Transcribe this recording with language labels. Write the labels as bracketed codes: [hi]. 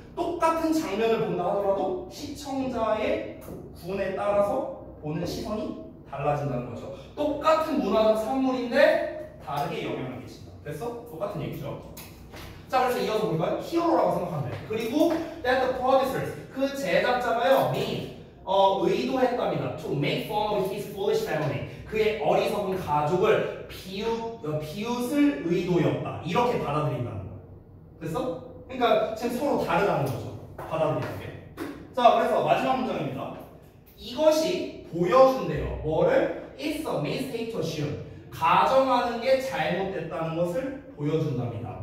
[ko] 똑같은 장면을 본다 하더라도 시청자의 군에 따라서 보는 시선이 달라진다는 거죠. 똑같은 문화적 산물인데 다르게 영향을 미친다. 됐어? 똑같은 얘기죠. 자, 그래서 이어서 볼까요? 히어로라고 생각하면 돼. 그리고 [en] that the producers, [ko] 그 제작자가요, [en] mean, [ko] 의도했답니다. [en] To make fun of his foolish family, [ko] 그의 어리석은 가족을 비웃을 의도였다. 이렇게 받아들인다는 거예요. 됐어? 그러니까 지금 서로 다르다는 거죠. 받아들이는 게. 자, 그래서 마지막 문장입니다. 이것이 보여준대요. 뭐를? [en] It's a mistake to assume. [ko] 가정하는 게 잘못됐다는 것을 보여준답니다.